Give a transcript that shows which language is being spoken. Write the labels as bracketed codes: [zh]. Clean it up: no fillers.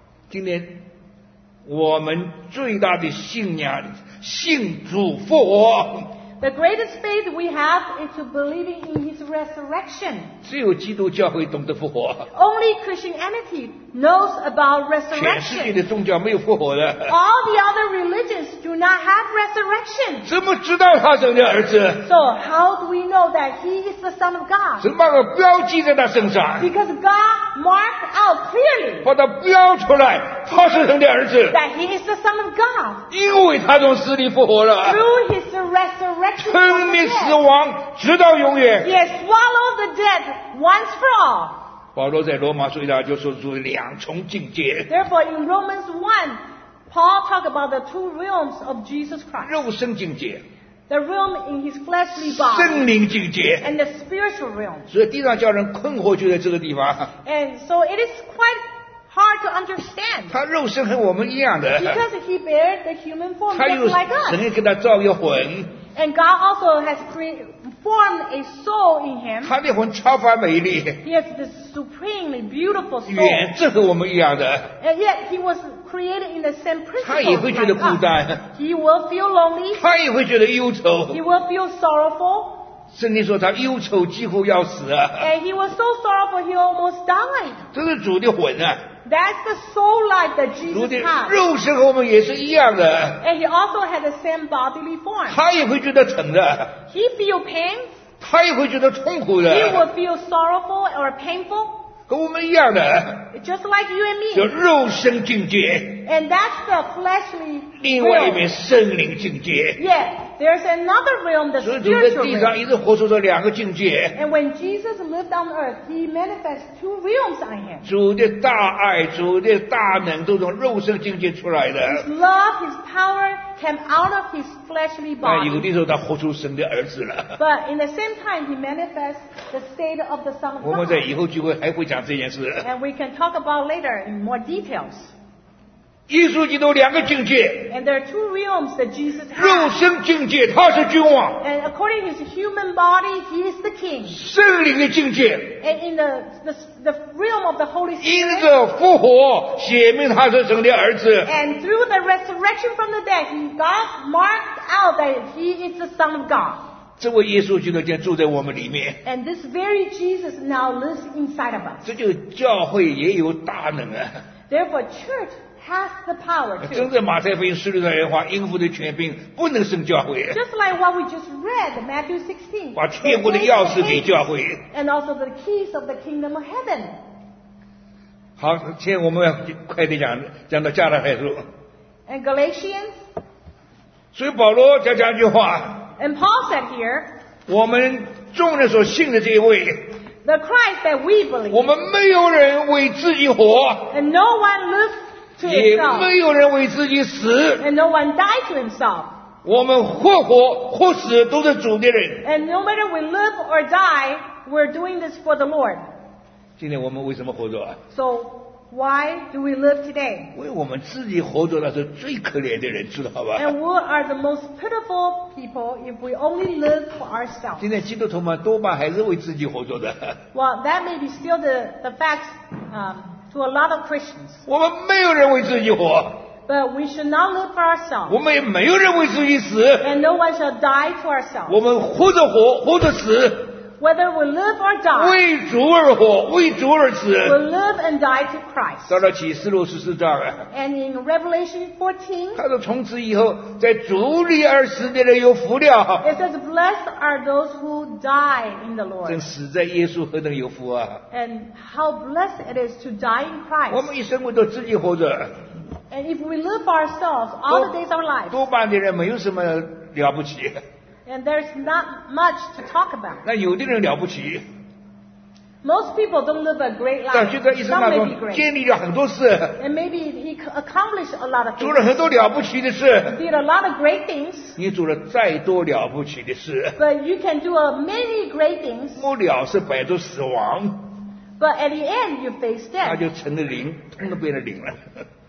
[zh] 今天我们最大的信仰，信主复活。 [en] The greatest faith we have is to believing in His resurrection. [zh] 只有基督教会懂得复活。 [en] Only Christianity knows about resurrection. [zh] 全世界的宗教没有复活的。 [en] All the other religions do not have resurrection. [zh] 怎么知道他是你的儿子？ [en] So how do we know that He is the Son of God? [zh] 神把个标记在他身上。 [en] Because God marked out clearly. [zh] 把他标出来，他是神的儿子。 [en] That He is the Son of God. [zh] 因为他从死里复活了。 [en] Through His resurrection. [zh] 吞灭死亡，直到永远。 [en] He has swallowed the dead once for all. [zh] 保罗在罗马书上就说出两重境界。 [en] Therefore, in Romans 1, Paul talked about the two realms of Jesus Christ. [zh] 肉身境界。 [en] The realm in his fleshly body. [zh] 圣灵境界。 [en] And the spiritual realm. [zh] 所以地上叫人困惑就在这个地方。 [en] And so it is quite. Hard to understand. [zh] 他肉身和我们一样的。 [en] Because he bears the human form just like us. [zh] 神也给他造一个魂。 [en] And God also has formed a soul in him. [zh] 他的魂超凡美丽。 [en] He has this supremely beautiful soul. [zh] 远志和我们一样的。 [en] And yet he was created in the same principle. [zh] 他也会觉得孤单。 [en] Like、he will feel lonely. [zh] 他也会觉得忧愁。 [en] He will feel sorrowful. [zh] 圣经说他忧愁几乎要死啊。 [en] And he was so sorrowful he almost died. [zh] 这是主的魂啊。 [en] That's the soul life that Jesus had. [zh] 主的肉身和我们也是一样的。 [en] And he also had the same bodily form. [zh] 他也会觉得疼的。 [en] He feel pain. [zh] 他也会觉得痛苦的。 [en] He will feel sorrowful or painful. [zh] 和我们一样的。 [en] Just like you and me. [zh] 叫肉身境界。 [en] And that's the fleshly realm. [zh] 另外一面圣灵境界。 [en] Yeah. There's another realm, the spiritual realm. [zh] 所以主在地上一直活出这两个境界。 [en] And when Jesus lived on earth, he manifests two realms on him. [zh] 主的大爱，主的大能，都从肉身境界出来的。 [en] His love, his power came out of his fleshly body. [zh] 但有的时候他活出神的儿子了。 [en] But in the same time, he manifests the state of the Son of God. [zh] 我们在以后聚会还会讲这件事。 [en] And we can talk about later in more details. [zh] 耶稣基督两个境界 [en] and there are two realms that Jesus has. [zh] 肉身境界他是君王 [en] and according to his human body he is the king [zh] 圣灵的境界 [en] and in the realm of the Holy Spirit [zh] 因着复活显明他是神的儿子 [en] and through the resurrection from the dead God marked out that he is the Son of God [zh] 这位耶稣基督就住在我们里面 [en] and this very Jesus now lives inside of us [zh] 这就教会也有大能啊 [en] therefore churchHas the power to. [zh] 真正马太福音十六章原话，应付的权柄不能胜教会。 [en] Just like what we just read, Matthew 16. [zh] 把天国的钥匙给教会。 [en] And also the keys of the kingdom of heaven. [zh] 好，今天我们要快点讲到加拉太书。 [en] And Galatians. [zh] 所以保罗再讲一句话。 [en] And Paul said here. [zh] 我们众人所信的这一位。 [en] The Christ that we believe. [zh] 我们没有人为自己活。 [en] And no one lives. [zh] 也没有人为自己死 [en] and no one died to himself. [zh] 我们或活或死都是主的人 [en] and no matter we live or die we're doing this for the Lord [zh] 今天我们为什么活着 [en] so why do we live today [zh] 为我们自己活着那是最可怜的人知道吧 [en] and we are the most pitiful people if we only live for ourselves [zh] 今天基督徒们多半还是为自己活着的 [en] well that may be still the facts To a lot of Christians. [zh] 我们没有人为自己活。 [en] But we should not live for ourselves. [zh] 我们也没有人为自己死。 [en] And no one shall die to ourselves. [zh] 我们活着活，活着死。 [en] Whether we live or die. [zh] 为主而活，为主而死。 [en] We live and die to Christ. [zh] 到了启示录十四章啊。 [en] And in Revelation 14. [zh] 他说从此以后，在主里而死的人有福了。 [en] It says, blessed are those who die in the Lord. [zh] 真死在耶稣何等有福啊。 [en] And how blessed it is to die in Christ. [zh] 我们一生都自己活着。 [en] And if we live for ourselves all the days of our life. [zh] 多半的人没有什么了不起。 [en] And there's not much to talk about. [zh] 那有的人了不起。 [en] Most people don't live a great life. [zh] 但就在一生当中建立了很多事。 [en] And maybe he accomplished a lot of things. [zh] 做了很多了不起的事。 [en] Did a lot of great things. [zh] 你做了再多了不起的事。 [en] But you can do many great things. [zh] 末了是摆脱死亡。 [en] But at the end, you face death. [zh] 那就成了灵，通通变成灵了。